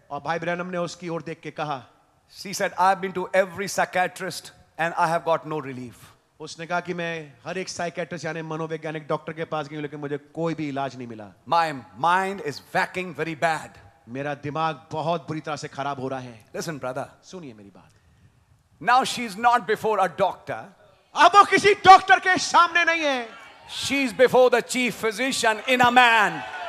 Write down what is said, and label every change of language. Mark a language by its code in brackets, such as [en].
[hi] और भाई ब्रैनम ने उसकी ओर देख के कहा, [en] she said, I've been to every psychiatrist and I have got no relief. [hi] उसने कहा कि मैं हर एक साइकेट्रिस्ट यानी मनोवैज्ञानिक डॉक्टर के पास गई लेकिन मुझे कोई भी इलाज नहीं मिला। [en] My mind is working very bad. [hi] मेरा दिमाग बहुत बुरी तरह से खराब हो रहा है। [en] Listen, brother. [hi] सुनिए मेरी बात। [en] Now she's not before a doctor. [hi] अब वो किसी डॉक्टर के सामने नहीं है। [en] She's before the chief physician in a man.